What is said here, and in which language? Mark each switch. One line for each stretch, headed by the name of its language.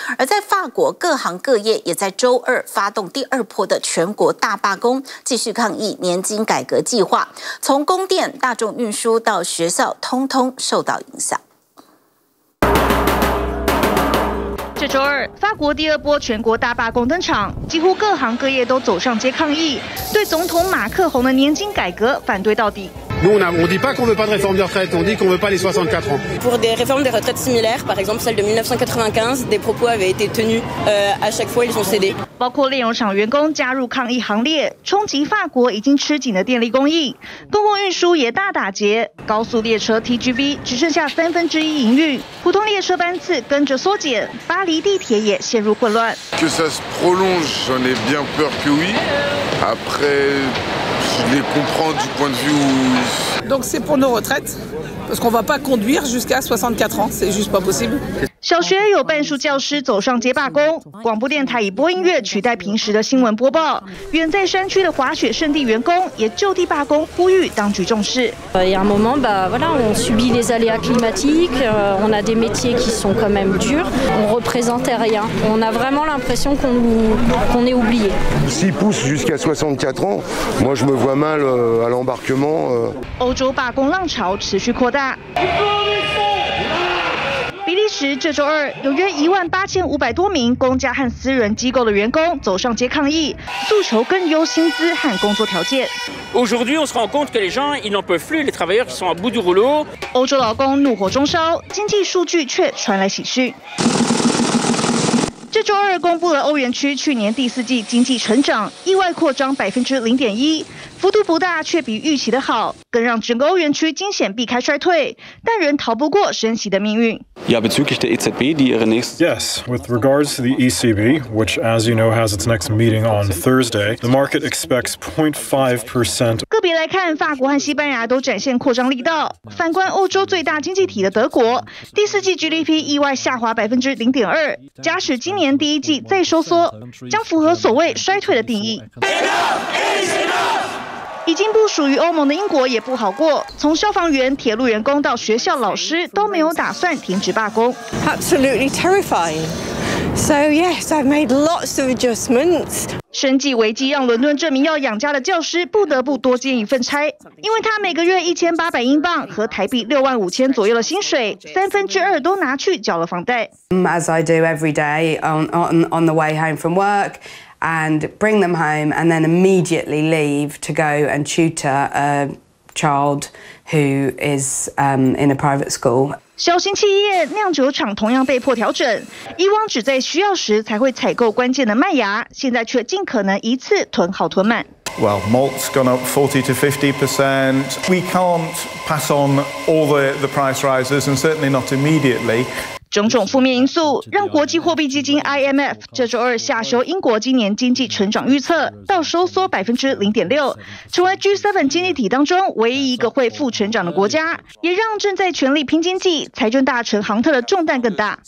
Chinese: 而在法国，各行各业也在周二发动第二波的全国大罢工，继续抗议年金改革计划，从供电、大众运输到学校，通通受到影响。这周二，法国第二波全国大罢工登场，几乎各行各业都走上街抗议，对总统马克宏的年金改革反对到底。
French: Nous, on dit pas qu'on veut pas de réforme des retraites, on dit qu'on veut pas les 64 ans. Pour des réformes des retraites similaires, par exemple celle de 1995, des propos avaient été tenus, à chaque fois ils ont cédé.
Chinese: 包括炼油厂员工加入抗议行列，冲击法国已经吃紧的电力供应，公共运输也大打劫，高速列车 TGV 只剩下三分之一营运，普通列车班次跟着缩减，巴黎地铁也陷入混乱。
French: Que ça se prolonge, j'en ai bien peur que oui. Après. Je les comprends du point de vue où... Donc c'est pour nos retraites, parce qu'on ne va pas conduire jusqu'à 64 ans, c'est juste pas possible.
Chinese: 小学有半数教师走上街罢工，广播电台以播音乐取代平时的新闻播报。远在山区的滑雪圣地员工也就地罢工，呼吁当局重视。
French: Il y a un moment, on subit les aléas climatiques, on a des métiers qui sont quand même durs, on représentait rien. On a vraiment l'impression qu'on est oublié. S'il pousse jusqu'à 64 ans, moi je me vois mal à l'embarquement.
Chinese: 欧洲罢工浪潮持续扩大。比利时这周二，有约18500多名公家和私人机构的员工走上街抗议，诉求更优薪资和工作条件。
French: Aujourd'hui, on se rend compte que les gens, ils n'en peuvent plus, les travailleurs sont à bout du rouleau.
Chinese: 欧洲劳工怒火中烧，经济数据却传来喜讯。这周二公布了欧元区去年第四季经济成长，意外扩张0.1%，幅度不大，却比预期的好，更让整个欧元区惊险避开衰退，但仍逃不过升息的命运。
German: Ja, bezüglich der EZB, die ihre nächste.
English: Yes, with regards to the ECB, which, as you know, has its next meeting on Thursday, the market expects 0.5%.
Chinese: 个别来看，法国和西班牙都展现扩张力道。反观欧洲最大经济体的德国，第四季 GDP 意外下滑0.2%，假使今年第一季再收缩，将符合所谓衰退的定义。已经不属于欧盟的英国也不好过，从消防员、铁路员工到学校老师都没有打算停止罢工。
English: Absolutely terrifying. So yes, I've made lots of adjustments.
Chinese: 生计危机让伦敦这名要养家的教师不得不多兼一份差，因为他每个月1800英镑和台币65000左右的薪水，三分之二都拿去缴了房贷。
English: As I do every day on the way home from work. And bring them home, and then immediately leave to go and tutor a child who is in a private school.
Chinese: 小型企业酿酒厂同样被迫调整，以往只在需要时才会采购关键的麦芽，现在却尽可能一次囤好囤满。
English: Well, malt's gone up 40% to 50%. We can't pass on all the price rises, and certainly not immediately.
Chinese: 种种负面因素让国际货币基金 IMF 这周二下修英国今年经济成长预测到收缩 0.6%， 成为 G7 经济体当中唯一一个会负成长的国家，也让正在全力拼经济财政大臣杭特的重担更大。